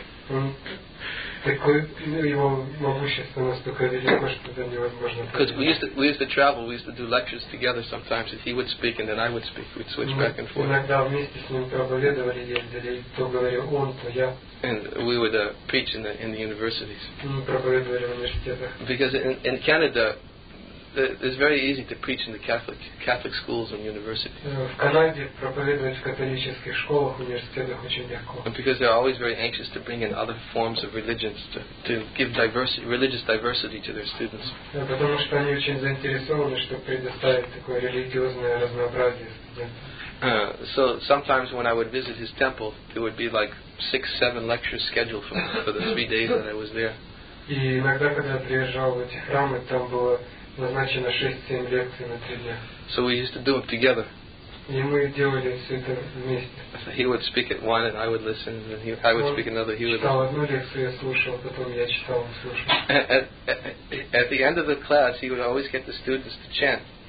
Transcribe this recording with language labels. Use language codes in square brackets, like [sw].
[ru] Он такой, его могущество настолько велико, что это невозможно. [en] Because we used to travel, we used to do lectures together sometimes, and he would speak and then I would speak. We'd switch back and forth. [ru] Иногда вместе с ним проповедовали, ездили, то говорил он, то я. [en] And we would preach in the universities. [ru] Мы проповедовали в университетах. [en] Because in Canada, it's very easy to preach in the Catholic schools and universities. [ru] В Канаде проповедовать в католических школах, университетах очень легко. [en] And because they're always very anxious to bring in other forms of religions to give religious diversity to their students. [ru] Потому что они очень заинтересованы, чтобы предоставить такое религиозное разнообразие студентам. [en] So sometimes when I would visit his temple, there would be like 6-7 lectures scheduled for the 3 days that I was there. [ru] И иногда, когда приезжал в эти храмы, там было назначено 6-7 лекций на 3 дня. [en] So we used to do it together. So he would speak at one and I would listen, and I would speak another, he would listen. At the end of the class, he would always get the students to chant.